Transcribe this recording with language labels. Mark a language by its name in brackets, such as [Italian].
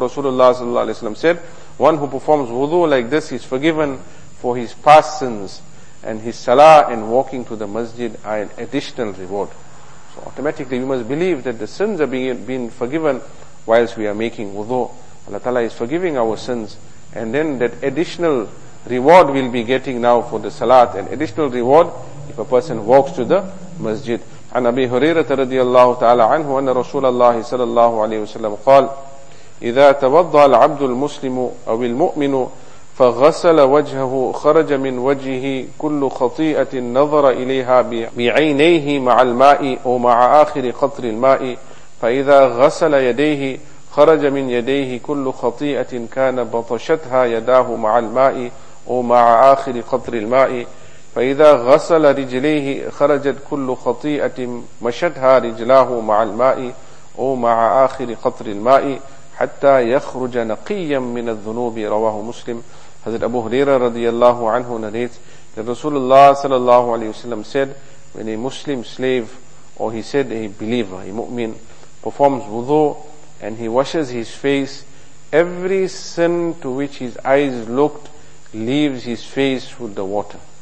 [English] Rasulullah sallallahu alayhi wa sallam said, one who performs wudu like this is forgiven for his past sins, and his salah and walking to the masjid are an additional reward. So automatically we must believe that the sins are been forgiven whilst we are making wudu. Allah Ta'ala is forgiving our sins, and then that additional reward we'll be getting now for the salat, an additional reward if a person walks to the masjid. [Arabic] عن أبي هريرة رضي الله تعالى عنه أن رسول الله صلى الله عليه وسلم قال إذا توضأ العبد المسلم أو المؤمن فغسل وجهه خرج من وجهه كل خطيئة نظر إليها بعينيه مع الماء أو مع آخر قطر الماء فإذا غسل يديه خرج من يديه كل خطيئة كان بطشتها يداه مع الماء أو مع آخر قطر الماء فإذا غسل رجليه خرجت كل خطيئة مشتها رجلاه مع الماء أو مع آخر قطر الماء حتى يخرج نقيا من الذنوب رواه مسلم. حضرت أبو هريرة رضي الله عنه [English] narrates that Rasulullah sallallahu alayhi wa sallam said, when a Muslim slave, or he said a believer, a mu'min, performs wudu and he washes his face, every sin to which his eyes looked leaves his face with the water.